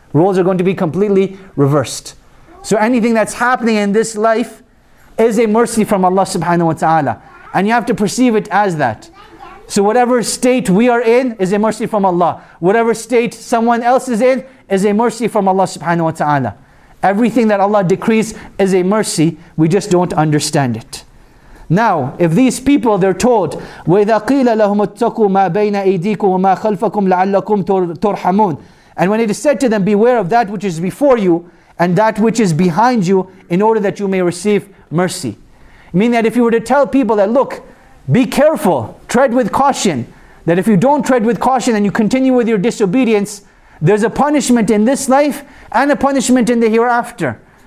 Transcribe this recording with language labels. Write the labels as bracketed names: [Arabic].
[English] Roles are going to be completely reversed. So anything that's happening in this life is a mercy from Allah subhanahu wa ta'ala. And you have to perceive it as that. So whatever state we are in is a mercy from Allah. Whatever state someone else is in is a mercy from Allah subhanahu wa ta'ala. Everything that Allah decrees is a mercy. We just don't understand it. Now, if these people, they're told, [Arabic] وَإِذَا قِيلَ لَهُمُ اتَّقُوا مَا بَيْنَ أَيْدِيكُمْ وَمَا خَلْفَكُمْ لَعَلَّكُمْ تُرْحَمُونَ. [English] And when it is said to them, beware of that which is before you and that which is behind you in order that you may receive mercy. Meaning that if you were to tell people that, look, be careful, tread with caution. That if you don't tread with caution and you continue with your disobedience, there's a punishment in this life and a punishment in the hereafter.